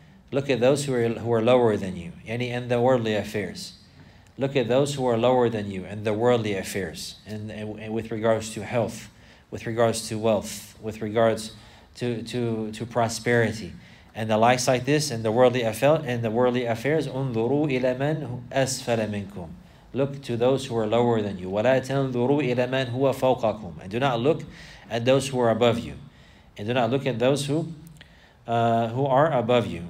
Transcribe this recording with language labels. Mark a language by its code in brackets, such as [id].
[en] Look at those who are lower than you, any in the worldly affairs. Look at those who are lower than you in the worldly affairs, and with regards to health, with regards to wealth, with regards to prosperity, and the likes like this in the worldly affairs. In the worldly affairs, [ar] انظروا إلى من أسفل منكم. [en] Look to those who are lower than you. [ar] ولا تنظروا إلى من هو فوقكم. [en] And do not look at those who are above you, and do not look at those who are above you.